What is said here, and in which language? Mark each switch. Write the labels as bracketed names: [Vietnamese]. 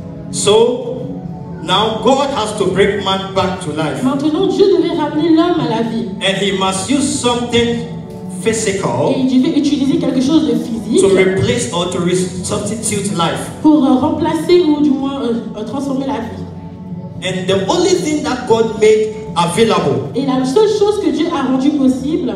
[English] So now God has to bring man back to life. [French] Maintenant Dieu devait ramener l'homme à la vie. [English] And He must use something physical. [French] Et il devait utiliser quelque chose de physique. [English] To replace or to substitute life. [French] Pour remplacer ou du moins transformer la vie. [English] And the only thing that God made available, [French] et la seule chose que Dieu a rendu possible,